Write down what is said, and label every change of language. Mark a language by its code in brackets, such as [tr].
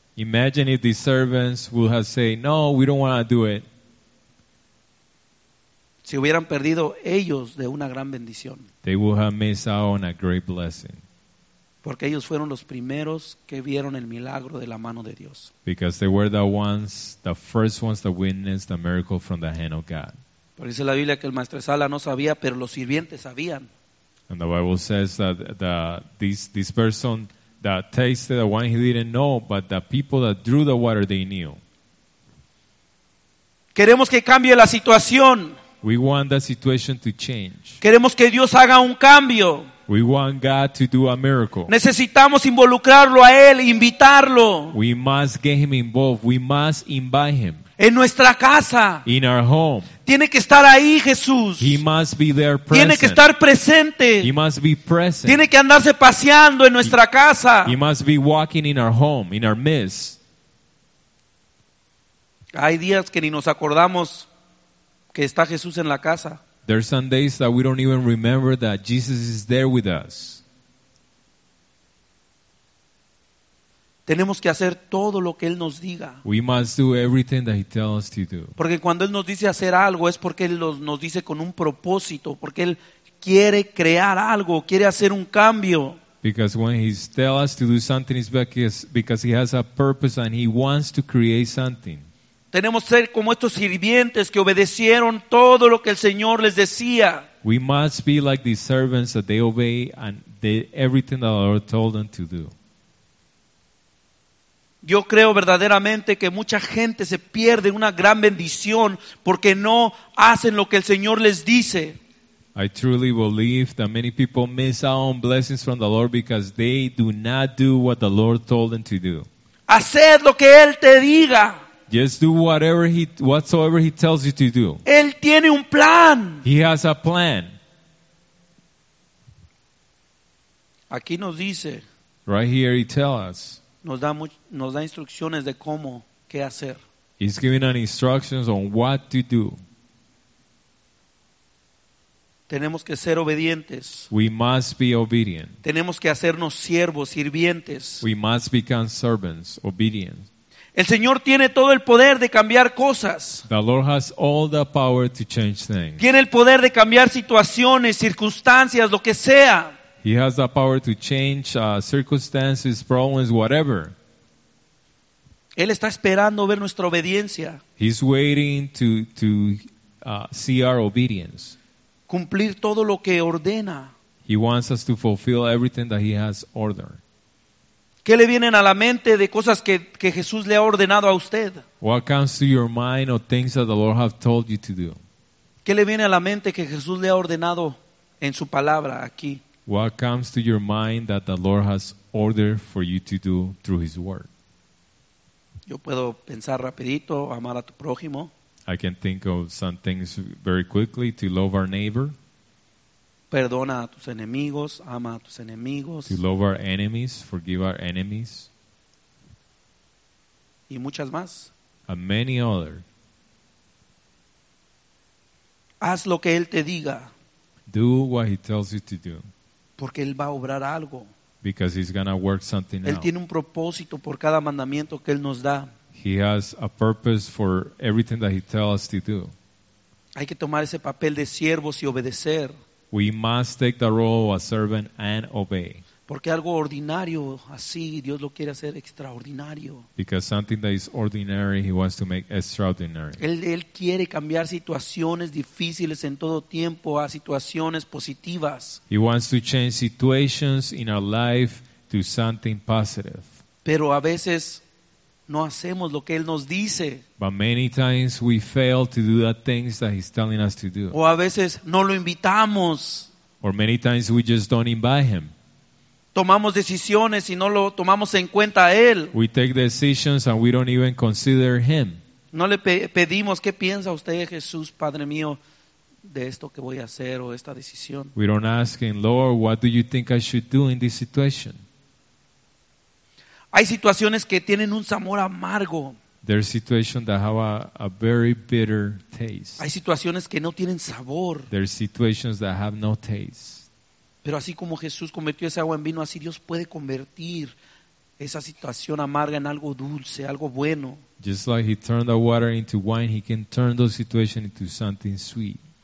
[en] Imagine if the servants would have said, no, we don't want to do it. [es] Si hubieran perdido ellos de una gran bendición. [en] They would have missed out on a great blessing. [es] Porque ellos fueron los primeros que vieron el milagro de la mano de Dios. [en] Because they were the first ones that witnessed the miracle from the hand of God. [es] Porque dice la Biblia que el maestro sala no sabía, pero los sirvientes sabían. [en] And the Bible says that this person that tasted the wine he didn't know, but the people that drew the water they knew. [es] Queremos que cambie la situación. [en] We want the situation to change. [es] Queremos que Dios haga un cambio. [en] We want God to do a miracle. [es] Necesitamos involucrarlo a él, invitarlo. [en] We must get him involved. We must invite him. [es] En nuestra casa. [en] In our home. [es] Tiene que estar ahí, Jesús. [en] He must be there present. [es] Tiene que estar presente. [en] He must be present. [es] Tiene que andarse paseando en nuestra casa. [en] He must be walking in our home, in our midst. [es] Hay días que ni nos acordamos que está Jesús en la casa. [en] There are some days that we don't even remember that Jesus is there with us. [es] Tenemos que hacer todo lo que Él nos diga. [en] We must do everything that He tells us to do. [es] Porque cuando Él nos dice hacer algo, es porque Él nos dice con un propósito, porque Él quiere crear algo, quiere hacer un cambio. [en] Because when He tells us to do something, it's because He has a purpose and He wants to create something. [es] Tenemos que ser como estos sirvientes que obedecieron todo lo que el Señor les decía. [en] We must be like these servants that they obey and did everything that the Lord told them to do. [es] Yo creo verdaderamente que mucha gente se pierde una gran bendición porque no hacen lo que el Señor les dice. [en] I truly believe that many people miss out on blessings from the Lord because they do not do what the Lord told them to do. [es] Haced lo que Él te diga. [en] Just do whatsoever He tells you to do. [es] Él tiene un plan. [en] He has a plan. [es] Aquí nos dice. [en] Right here He tells us. [es] Nos da instrucciones de cómo, qué hacer. [en] He's giving us instructions on what to do. [es] Tenemos que ser obedientes. [en] We must be obedient. [es] Tenemos que hacernos siervos, sirvientes. [en] We must become servants, obedient. [es] El Señor tiene todo el poder de cambiar cosas. [en] The Lord has all the power to change things. [es] Tiene el poder de cambiar situaciones, circunstancias, lo que sea. [en] He has the power to change circumstances, problems, whatever. [es] Él está esperando ver nuestra obediencia. [en] He's waiting to see our obedience. [es] Cumplir todo lo que ordena. [en] He wants us to fulfill everything that He has ordered. [es] ¿Qué le vienen a la mente de cosas que Jesús le ha ordenado a usted? [en] What comes to your mind of things that the Lord have told you to do? [es] ¿Qué le viene a la mente que Jesús le ha ordenado en su palabra aquí? [en] What comes to your mind that the Lord has ordered for you to do through His word? [es] Yo puedo pensar rapidito, amar a tu prójimo. [en] I can think of some things very quickly, to love our neighbor. [es] Perdona a tus enemigos, ama a tus enemigos. [en] To love our enemies, forgive our enemies. [es] Y muchas más. [en] And many other. [es] Haz lo que Él te diga. [en] Do what He tells you to do. [es] Porque Él va a obrar algo. [en] Because He's going to work something out. [es] Él tiene un propósito por cada mandamiento que Él nos da. [en] He has a purpose for everything that He tells us to do. [es] Hay que tomar ese papel de siervos y obedecer. [en] We must take the role of a servant and obey. [es] Porque algo ordinario así, Dios lo quiere hacer extraordinario. [en] Because something that is ordinary, He wants to make extraordinary. [es] Él quiere cambiar situaciones difíciles en todo tiempo a situaciones positivas. [en] He wants to change situations in our life to something positive. [es] Pero a veces no hacemos lo que Él nos dice. [en] But many times we fail to do the things that He's telling us to do. [es] O a veces no lo invitamos. [en] Or many times we just don't invite Him. [es] Tomamos decisiones y no lo tomamos en cuenta a Él. [en] We take decisions and we don't even consider Him. [es] No le pedimos, ¿qué piensa usted, Jesús, Padre mío, de esto que voy a hacer o esta decisión? [en] We don't ask Him, Lord, what do you think I should do in this situation? [es] Hay situaciones que tienen un sabor amargo. [en] There are situations that have a very bitter taste. [es] Hay situaciones que no tienen sabor. [en] There are situations that have no taste. [es] Pero así como Jesús convirtió ese agua en vino, así Dios puede convertir esa situación amarga en algo dulce, algo bueno. [en] Just like He turned the water into wine, He can turn those situations into something sweet.